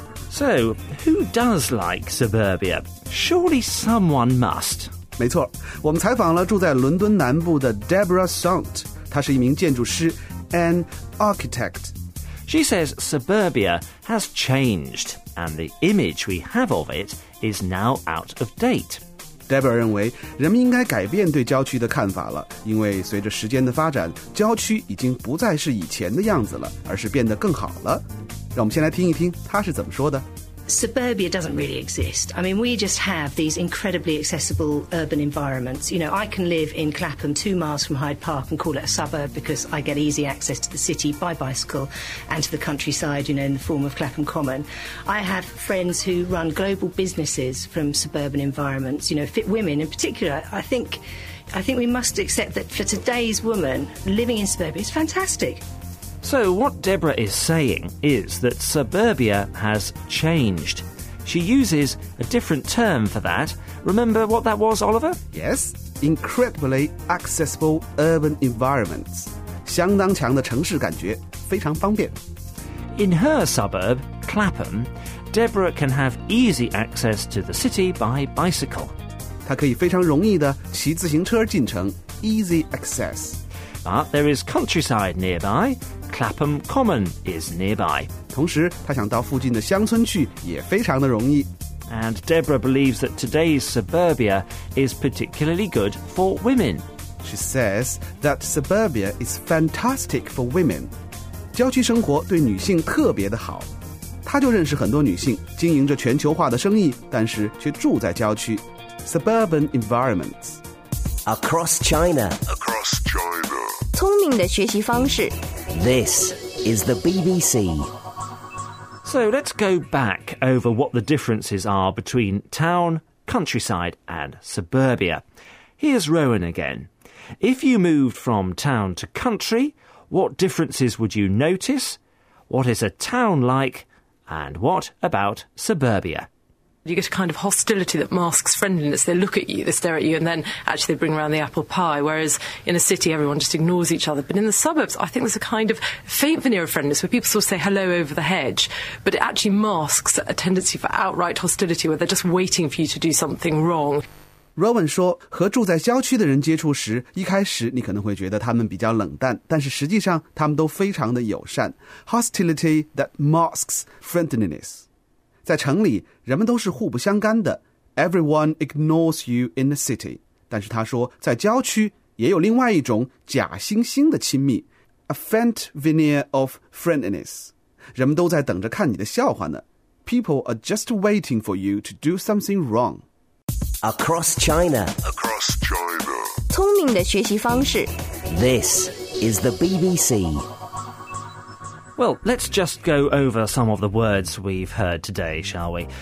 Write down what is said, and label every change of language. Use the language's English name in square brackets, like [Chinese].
[English] So, who does like suburbia? Surely someone must. [Chinese] 没错，我们采访了住在伦敦南部的 Deborah Sunt. 她是一名建筑师 ， [English] an architect. She says suburbia has changed, and the image we have of it is now out of date. [Chinese] Deborah 认为人们应该改变对郊区的看法了，因为随着时间的发展，郊区已经不再是以前的样子了，而是变得更好了。让我们先来听一听他是怎么说的。 [English] Suburbia doesn't really exist. I mean, we just have these incredibly accessible urban environments. You know, I can live in Clapham, 2 miles from Hyde Park, and call it a suburb because I get easy access to the city by bicycle and to the countryside, you know, in the form of Clapham Common. I have friends who run global businesses from suburban environments, you know, fit women in particular. I think we must accept that for today's woman, living in suburbia is fantastic. So what Deborah is saying is that suburbia has changed. She uses a different term for that. Remember what that was, Oliver? Yes, incredibly accessible urban environments. [Chinese] 相当强的城市感觉，非常方便。 [English] In her suburb, Clapham, Deborah can have easy access to the city by bicycle. [Chinese] 她可以非常容易地骑自行车进城 [English] easy access. But there is countryside nearby,Clapham Common is nearby. [Chinese] 同时他想到附近的乡村去也非常的容易。 [English] And Deborah believes that today's suburbia is particularly good for women. She says that suburbia is fantastic for women. [Chinese] 郊区生活对女性特别的好。她就认识很多女性经营着全球化的生意但是却住在郊区。 [English] Suburban environments. Across China. [Chinese] 聪明的学习方式。 [English] This is the BBC. So let's go back over what the differences are between town, countryside and suburbia. Here's Rowan again. If you moved from town to country, what differences would you notice? What is a town like? And what about suburbia? You get a kind of hostility that masks friendliness. They look at you, they stare at you, and then actually they bring around the apple pie. Whereas in a city, everyone just ignores each other. But in the suburbs, I think there's a kind of faint veneer of friendliness where people sort of say hello over the hedge, but it actually masks a tendency for outright hostility where they're just waiting for you to do something wrong. [Chinese] Rowan 说，和住在郊区的人接触时，一开始你可能会觉得他们比较冷淡，但是实际上他们都非常的友善。 [English] Hostility that masks friendliness. [Chinese] 在城里，人们都是互不相干的。 [English] Everyone ignores you in the city. [Chinese] 但是他说，在郊区也有另外一种假惺惺的亲密。 [English] A faint veneer of friendliness. [Chinese] 人们都在等着看你的笑话呢。 [English] People are just waiting for you to do something wrong. Across China. Across China. [Chinese] 聪明的学习方式。 [English] This is the BBC. Well, let's just go over some of the words we've heard today, shall we?